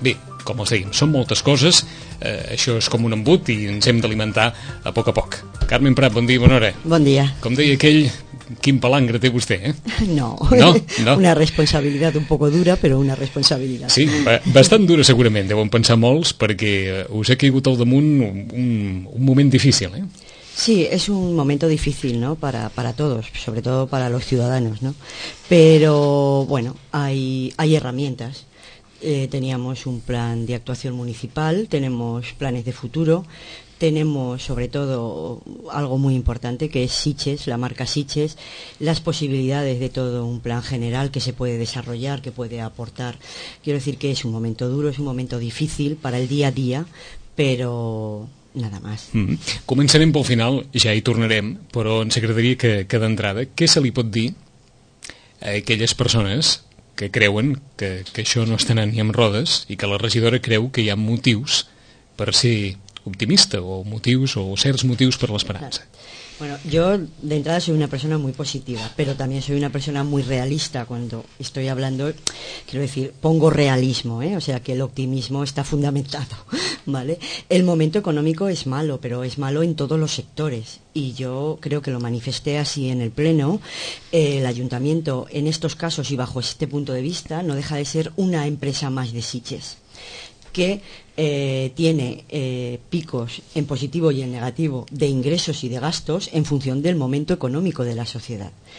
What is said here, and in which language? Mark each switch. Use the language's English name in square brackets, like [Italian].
[Catalan] Bé, com els dèiem, són moltes coses, això és com un embut i ens hem d'alimentar a poc a poc. Carmen Prat, bon dia, bona hora. Bon dia. Com deia aquell, quin palangre té vostè, eh? No. Una responsabilitat [Spanish] un poco dura, [Catalan] però una responsabilitat. Sí, bastant dura segurament, deuen pensar molts, perquè us ha caigut al damunt un moment difícil, eh? [Spanish] Sí, es un momento difícil, ¿no? Para todos, sobre todo para los ciudadanos, ¿no? Pero bueno, hay herramientas. Teníamos un plan de actuación municipal, tenemos planes de futuro, tenemos sobre todo algo muy importante que es Sitges, la marca Sitges, las posibilidades de todo un plan general que se puede desarrollar, que puede aportar. Quiero decir que es un momento duro, es un momento difícil para el día a día, pero nada más. Mm-hmm. [Catalan] Començarem pel final, ja hi tornarem, però ens agradaria que d'entrada, què se li pot dir a aquelles persones que creuen que això no està anant ni amb rodes i que la regidora creu que hi ha motius per ser optimista o motius o certs motius per l'esperança? [Spanish] Bueno, yo de entrada soy una persona muy positiva, pero también soy una persona muy realista. Cuando estoy hablando, quiero decir, pongo realismo, ¿eh? O sea, que el optimismo está fundamentado, ¿vale? El momento económico es malo, pero es malo en todos los sectores. Y yo creo que lo manifesté así en el pleno. El ayuntamiento, en estos casos y bajo este punto de vista, no deja de ser una empresa más de Sitges, que tiene picos en positivo y en negativo de ingresos y de gastos en función del momento económico de la sociedad.